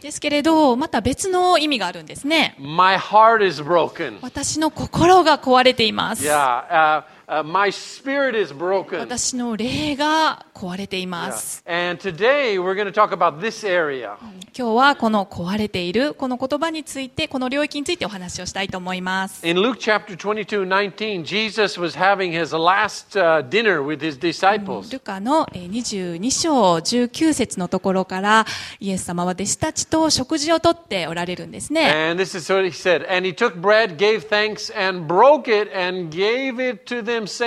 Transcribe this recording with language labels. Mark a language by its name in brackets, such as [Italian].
[Japanese] ですけれど、また別の意味があるんですね。 [English] My heart is broken. [Japanese] 私の心が壊れています。 [English] Yeah, my spirit is broken. [Japanese] 私の霊が壊れています。 [English] Yeah. And today we're going to talk about this area. [Japanese] 今日はこの壊れているこの言葉について、この領域についてお話をしたいと思います。 [English] In Luke chapter 22:19, Jesus was having his last dinner with his disciples. [Japanese] ルカの22章19節のところから、イエス様は弟子たちと食事をとっておられるんですね。 [English] And this is what he said. And he took bread, gave thanks, and broke it, and gave it to them.